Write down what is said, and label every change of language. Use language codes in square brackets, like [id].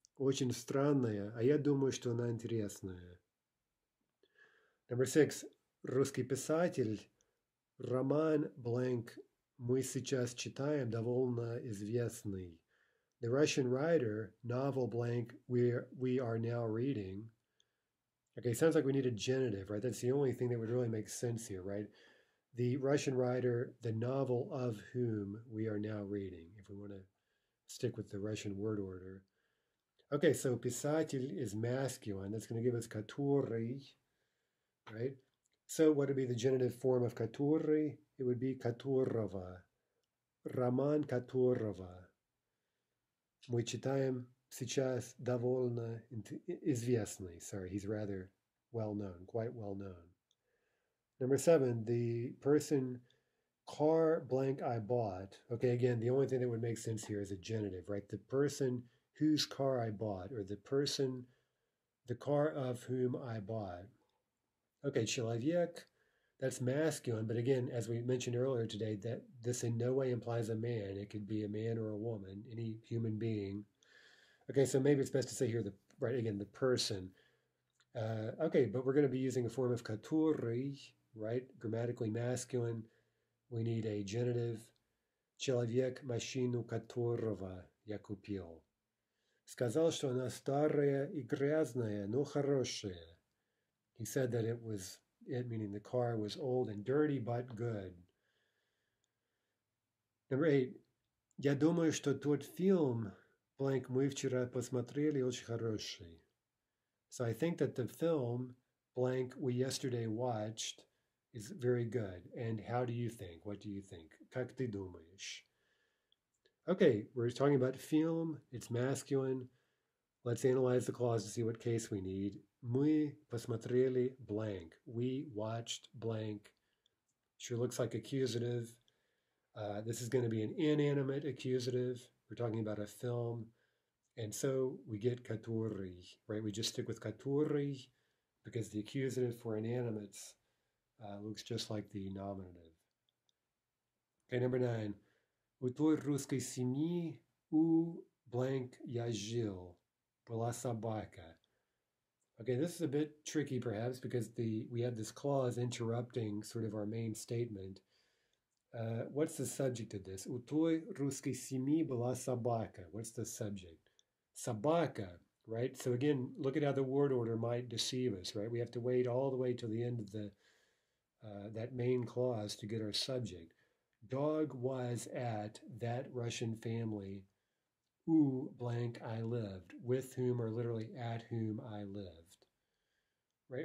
[ru] Очень странная, а я думаю, что она интересная. [en] Number six. [ru] Русский писатель. Роман blank мы сейчас читаем, довольно известный. [en] The Russian writer, novel blank we are now reading. Okay, sounds like we need a genitive, right? That's the only thing that would really make sense here, right? The Russian writer, the novel of whom we are now reading, if we want to stick with the Russian word order. Okay, so писатель is masculine. That's going to give us который, right? So what would be the genitive form of который? It would be которого. [ru] Роман которого. Мы читаем сейчас довольно известный. [en] Sorry, he's rather well known, quite well known. Number seven, the person car blank I bought. Okay, again, the only thing that would make sense here is a genitive, right? The person whose car I bought, or the person, the car of whom I bought. Okay, человек, that's masculine, but again, as we mentioned earlier today, that this in no way implies a man. It could be a man or a woman, any human being. Okay, so maybe it's best to say here the right again, the person. Okay, but we're going to be using a form of который, right? Grammatically masculine. We need a genitive. [ru] человек машину, которого я купил. Сказал, что она старая и грязная, но хорошая. [en] He said that it meaning the car was old and dirty, but good. Number eight, [ru] я думаю, что тот фильм, blank, мы вчера посмотрели, очень хороший. [en] So I think that the film, blank, we yesterday watched, is very good. And how do you think? What do you think? [ru] Как ты думаешь? [en] Okay, we're talking about film. It's masculine. Let's analyze the clause to see what case we need. [ru] Мы посмотрели [en] blank. We watched blank. Sure looks like accusative. This is going to be an inanimate accusative. We're talking about a film. And so we get который, right? We just stick with который because the accusative for inanimates looks just like the nominative. Okay, number nine. [ru] У той русской семьи у blank я жил была собака. [en] Okay, this is a bit tricky perhaps because we have this clause interrupting sort of our main statement. What's the subject of this? [ru] У той русской семьи была собака. [en] What's the subject? Собака, right? So again, look at how the word order might deceive us, right? We have to wait all the way till the end of the that main clause to get our subject. Dog was at that Russian family who blank I lived, with whom or literally at whom I lived. Right?